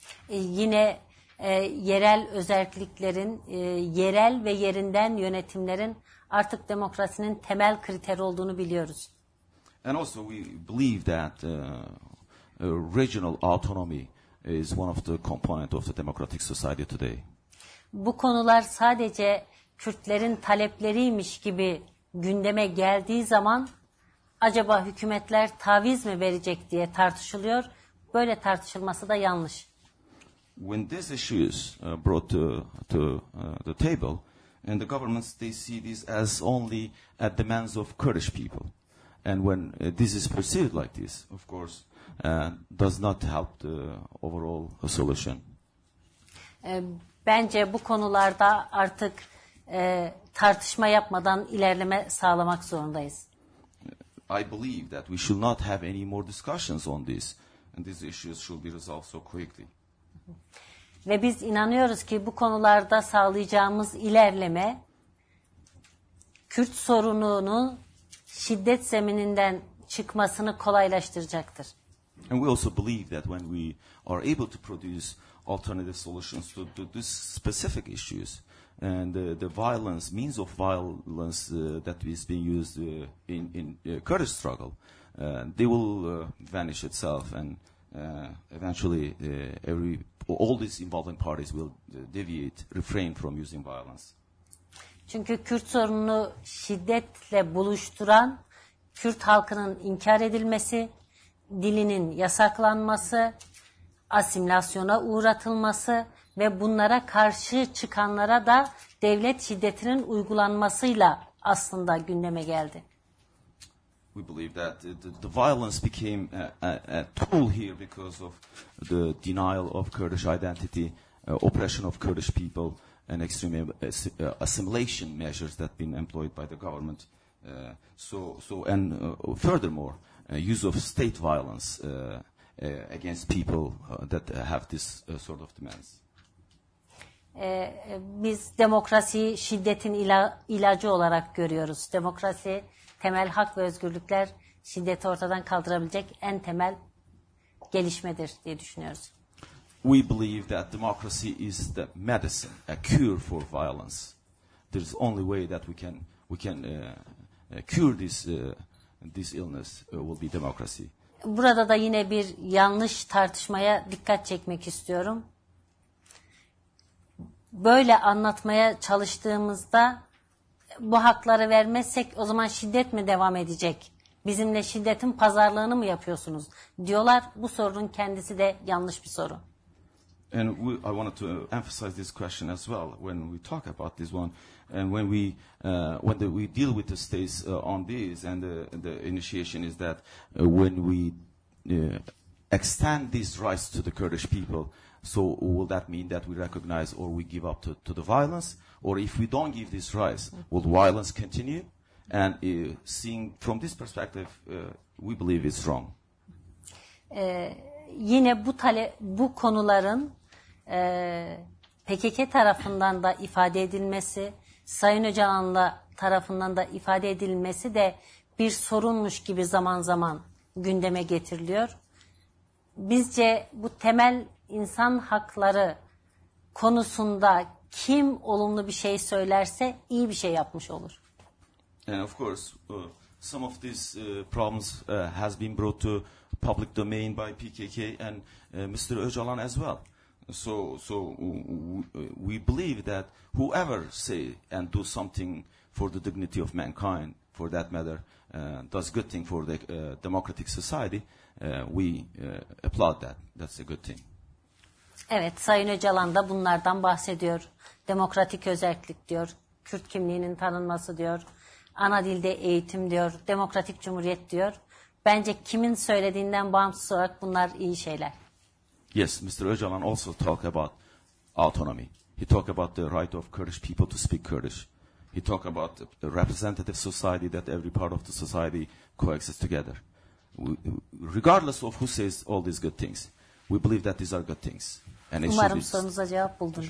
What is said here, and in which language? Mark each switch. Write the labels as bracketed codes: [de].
[tr] Yine yerel özelliklerin, yerel ve yerinden yönetimlerin artık demokrasinin temel kriteri olduğunu biliyoruz. [en] And also we believe that regional autonomy is one of the component of the democratic society today. [tr] Bu konular sadece Kürtlerin talepleriymiş gibi gündeme geldiği zaman acaba hükümetler taviz mi verecek diye tartışılıyor. Böyle tartışılması da yanlış. [en] When this issue is brought to the table and the governments, they see this as only at demands of Kurdish people. And when this is perceived like this, of course, does not help the overall solution. [tr] Bence bu konularda artık tartışma yapmadan ilerleme sağlamak zorundayız. [en] I believe that we should not have any more discussions on this, and these issues should be resolved so quickly. [tr] Ve biz inanıyoruz ki bu konularda sağlayacağımız ilerleme Kürt sorununun şiddet zemininden çıkmasını kolaylaştıracaktır. [en] And we also believe that when we are able to produce alternative solutions to these specific issues and the violence, means of violence that is being used in Kurdish struggle, they will vanish itself and eventually all these involving parties will deviate, refrain from using violence. [tr] Çünkü Kürt sorununu şiddetle buluşturan Kürt halkının inkar edilmesi, dilinin yasaklanması, asimilasyona uğratılması ve bunlara karşı çıkanlara da devlet şiddetinin uygulanmasıyla aslında gündeme geldi. [en] We believe that the violence became a tool here because of the denial of Kurdish identity, oppression of Kurdish people, and extreme assimilation measures that been employed by the government. So, furthermore, use of state violence against people that have this sort of demands. [tr] Biz demokrasiyi şiddetin ilacı olarak görüyoruz. Demokrasi, temel hak ve özgürlükler şiddeti ortadan kaldırabilecek en temel gelişmedir diye düşünüyoruz. [en] We believe that democracy is the medicine, a cure for violence. There's only way that we can cure this illness will be democracy. [tr] Burada da yine bir yanlış tartışmaya dikkat çekmek istiyorum. Böyle anlatmaya çalıştığımızda bu hakları vermezsek o zaman şiddet mi devam edecek? Bizimle şiddetin pazarlığını mı yapıyorsunuz? Diyorlar. Bu sorunun kendisi de yanlış bir soru. [en] And I wanted to emphasize this question as well when we talk about this one. And when we deal with the states on this, and the initiation is that when we extend these rights to the Kurdish people, so will that mean that we recognize or we give up to the violence? Or if we don't give these rights, will violence continue? And seeing from this perspective, we believe it's wrong. [tr] Yine bu konuların PKK tarafından da ifade edilmesi, Sayın Öcalan'la tarafından da ifade edilmesi de bir sorunmuş gibi zaman zaman gündeme getiriliyor. Bizce bu temel insan hakları konusunda kim olumlu bir şey söylerse iyi bir şey yapmış olur. [en] And of course, some of these problems has been brought to public domain by PKK and Mr. Öcalan as well. So we believe that whoever say and do something for the dignity of mankind, for that matter, does good thing for the democratic society, we applaud that. That's a good thing. [tr] Evet, Sayın Öcalan da bunlardan bahsediyor. Demokratik özellik diyor, Kürt kimliğinin tanınması diyor, ana dilde eğitim diyor, demokratik cumhuriyet diyor. Bence kimin söylediğinden bağımsız olarak bunlar iyi şeyler. [en] Yes, Mr. Öcalan also talked about autonomy. He talked about the right of Kurdish people to speak Kurdish. He talked about a representative society that every part of the society coexists together. Regardless of who says all these good things, we believe that these are good things. [tr] And umarım sorunuza cevap buldunuz.